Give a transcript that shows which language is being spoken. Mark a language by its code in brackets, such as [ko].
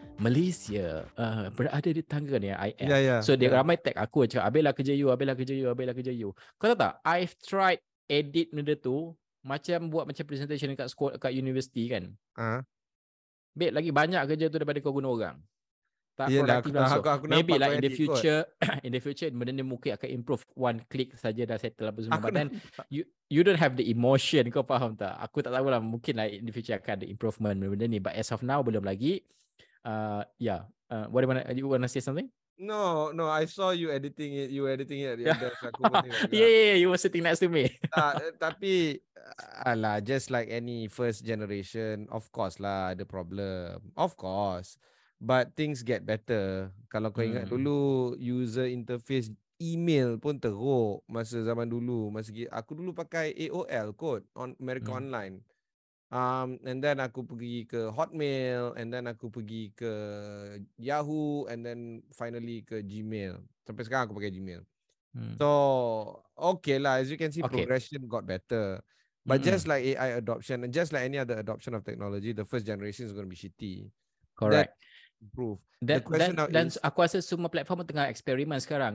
[ms] Malaysia berada di tangga ni [en] I am. Yeah, yeah, so yeah. [ms] Dia ramai tag aku cakap, habislah kerja you. Kau tahu tak, [en] I've tried edit [ms] benda tu, macam buat macam presentation dekat school, dekat university kan. Bet lagi banyak kerja tu daripada kau guna orang. Tak produktif lah. Aku [en] maybe lah in the future kot. In the future [ms] benda ni mungkin akan [en] improve. One click [ms] saja dah [en] settle [ms] apa semua. [en] But then you don't have the emotion. [ms] Kau faham tak? Aku tak tahulah, mungkin lah [en] in the future [ms] akan ada improvement benda ni. [en] But as of now [ms] belum lagi. [en] You want to say something? No, I saw you editing it. You editing it. Yeah, you were sitting next to me. [ms] Tapi, alah, [en] just like any first generation, of course lah, ada problem. Of course. But things get better. [ms] Kalau kau ingat dulu, user interface email pun teruk masa zaman dulu. Aku dulu pakai AOL kot, [en] on America Online. [ms] And then aku pergi ke Hotmail, and then aku pergi ke Yahoo, [en] and then finally [ms] ke Gmail. Sampai sekarang aku pakai Gmail. [en] So okay lah, as you can see, progression got better. But just like AI adoption, and just like any other adoption of technology, the first generation is going to be shitty. Correct. Then [ms] aku rasa semua platform tengah eksperimen sekarang.